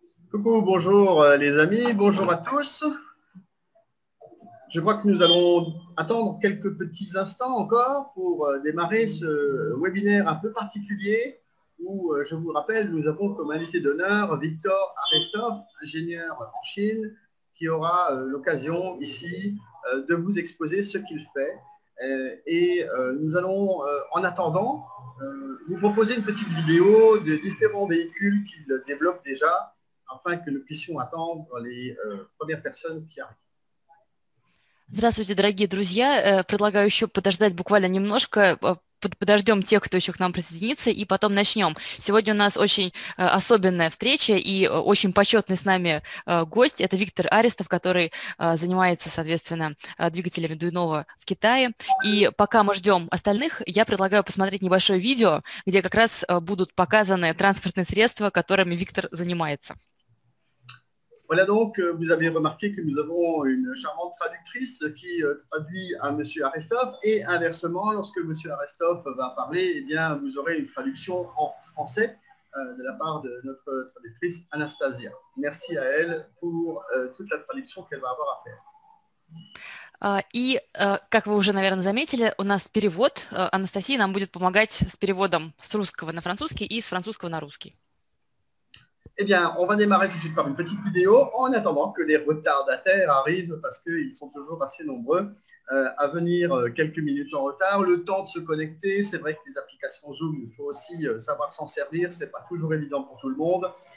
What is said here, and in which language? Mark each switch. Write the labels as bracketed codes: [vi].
[fr] Coucou, bonjour les amis, bonjour à tous. Je crois que nous allons attendre quelques petits instants encore pour démarrer ce webinaire un peu particulier où, je vous rappelle, nous avons comme invité d'honneur Victor Arestov, ingénieur en Chine, qui aura l'occasion ici de vous exposer ce qu'il fait. Nous allons, en attendant, vous proposer une petite vidéo des différents véhicules qu'il développe déjà, afin que nous puissions attendre les premières personnes qui arrivent. [ru] Здравствуйте, дорогие друзья. Предлагаю еще подождать буквально немножко. Подождем тех, кто еще к нам присоединится, и потом начнем. Сегодня у нас очень особенная встреча и очень почетный с нами гость. Это Виктор Арестов, который занимается, соответственно, двигателями Дуйнова в Китае. И пока мы ждем остальных, я предлагаю посмотреть небольшое видео, где как раз будут показаны транспортные средства, которыми Виктор занимается. [fr] Voilà donc, vous avez remarqué que nous avons une charmante traductrice qui traduit à M. Arestov et inversement, lorsque M. Arestov va parler, eh bien, vous aurez une traduction en français de la part de notre traductrice Anastasia. Merci à elle pour toute la traduction qu'elle va avoir à faire. [ru] И, как вы уже, наверное, заметили, у нас перевод. Анастасия нам будет помогать с переводом с русского на французский и с французского на русский. [fr] Eh bien, on va démarrer tout de suite par une petite vidéo en attendant que les retardataires arrivent parce qu'ils sont toujours assez nombreux à venir quelques minutes en retard. Le temps de se connecter, c'est vrai que les applications Zoom, il faut aussi savoir s'en servir, c'est pas toujours évident pour tout le monde.